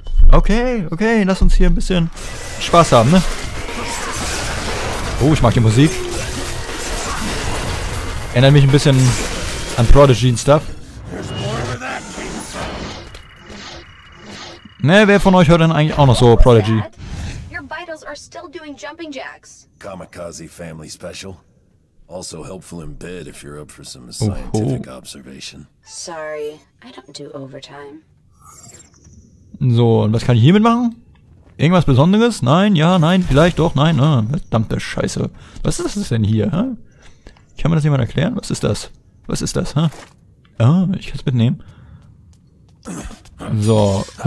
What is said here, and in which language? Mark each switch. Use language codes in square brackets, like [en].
[de] Okay, lass uns hier ein bisschen Spaß haben, ne? Oh, ich mag die Musik. Erinnert mich ein bisschen an Prodigy und Stuff. Ne, wer von euch hört denn eigentlich auch noch so Prodigy? [en] Are still doing jumping jacks. Kamikaze Family Special. Also helpful in bed if you're up for some scientific observation. Sorry, I don't do overtime. [de] So, und was kann ich hiermit machen? Irgendwas Besonderes? Nein, ja, nein, vielleicht doch, nein, ne? Verdammte Scheiße. Was ist das denn hier, hä? Kann mir das jemand erklären? Was ist das? Was ist das, hä? Ah, ich kann es mitnehmen. So.